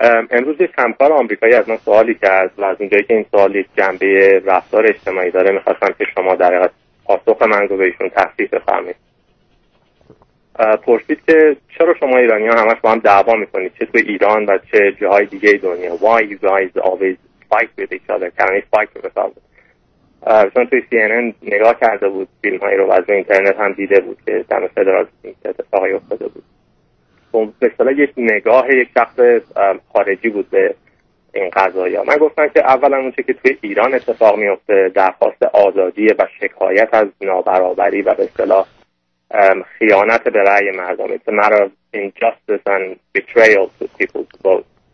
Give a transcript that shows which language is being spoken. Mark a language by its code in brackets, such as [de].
[fa] امروز یک همکار آمریکایی از من سوالی کرد و از اونجایی که این سوال یک جنبه رفتار اجتماعی داره، می‌خواستم که شما در واقع پاسخ من رو به ایشون تفصیل بفرمایید. پرسید که چرا شما ایرانی ها همش با هم دعوا میکنید، چه تو ایران و چه جاهای دیگه دنیا. [en] Why you guys always fight with each other? Can I fight with each other? [fa] چون توی CNN نگاه کرده بود فیلم هایی رو و از اینترنت هم دیده بود که دم فدرال سینکت اتفاقی افتاده بود. مثلا یک نگاه یک شخص خارجی بود به این قضایی ها. من گفتم که اولا اون چه که توی ایران اتفاق میفته درخواست آزادیه و شکایت از نابرابری و به اصطلاح خیانت به رأی مردم، [en] it's a matter of injustice and betrayal to people's vote.